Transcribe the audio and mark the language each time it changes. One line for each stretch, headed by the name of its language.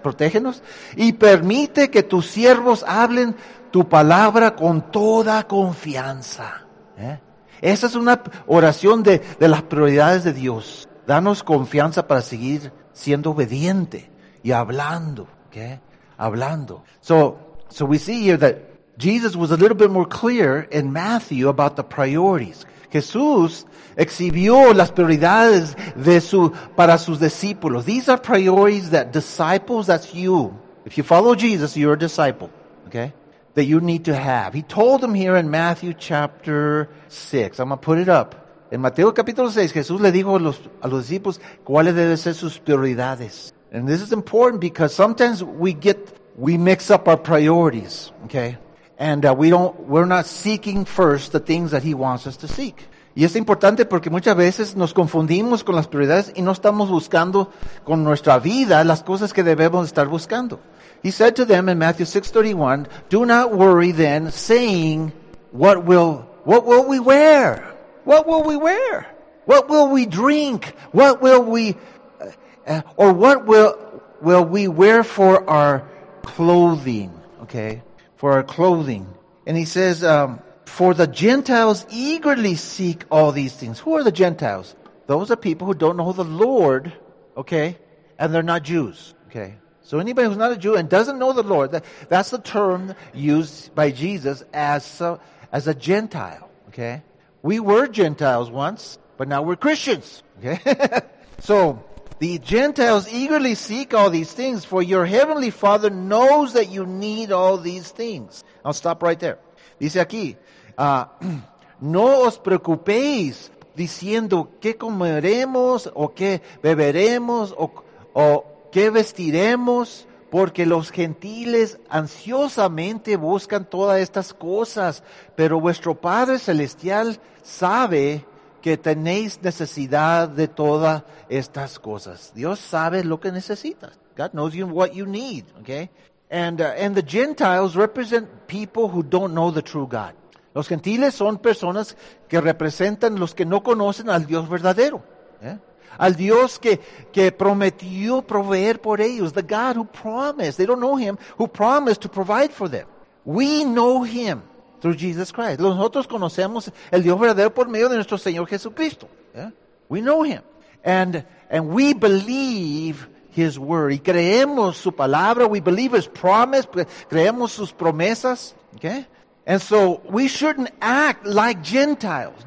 Spanish: Protégenos, y permite que tus siervos hablen tu palabra con toda confianza. ¿Eh? Esa es una oración de las prioridades de Dios. Danos confianza para seguir siendo obediente y hablando, ¿qué? Hablando.
English: So we see here that Jesus was a little bit more clear in Matthew about the priorities.
Spanish: Jesús exhibió las prioridades para sus discípulos.
English: These are priorities that disciples, that's you. If you follow Jesus, you're a disciple, okay? That you need to have. He told them here in Matthew chapter 6. I'm going to put it up.
Spanish: En Mateo capítulo 6, Jesús le dijo a los discípulos cuáles deben ser sus prioridades.
English: And this is important because sometimes we mix up our priorities, okay? And we're not seeking first the things that he wants us to seek.
Spanish: Y es importante porque muchas veces nos confundimos con las prioridades y no estamos buscando con nuestra vida las cosas que debemos estar buscando.
English: He said to them in Matthew 6:31, do not worry then, saying, what will we wear? What will we wear? What will we drink? What will we, or what will we wear for our clothing? Okay. For our clothing. And he says, for the Gentiles eagerly seek all these things. Who are the Gentiles? Those are people who don't know the Lord, okay? And they're not Jews, okay? So anybody who's not a Jew and doesn't know the Lord, that's the term used by Jesus as a Gentile, okay? We were Gentiles once, but now we're Christians, okay? So the Gentiles eagerly seek all these things, for your heavenly Father knows that you need all these things. I'll stop right there.
Spanish: Dice aquí, no os preocupéis diciendo qué comeremos o qué beberemos o qué vestiremos, porque los gentiles ansiosamente buscan todas estas cosas, pero vuestro Padre Celestial sabe que tenéis necesidad de todas estas cosas. Dios sabe lo que necesitas.
English: God knows you what you need, okay? And the Gentiles represent people who don't know the true God.
Spanish: Los gentiles son personas que representan los que no conocen al Dios verdadero, ¿eh? Al Dios que prometió proveer por ellos.
English: The God who promised, they don't know him, who promised to provide for them. We know him through Jesus Christ.
Spanish: Nosotros conocemos el Dios verdadero por medio de nuestro Señor Jesucristo. ¿Eh?
English: We know him. And we believe his word.
Spanish: Y creemos su palabra.
English: We believe his promise.
Spanish: Creemos sus promesas. Okay?
English: And so we shouldn't act like Gentiles.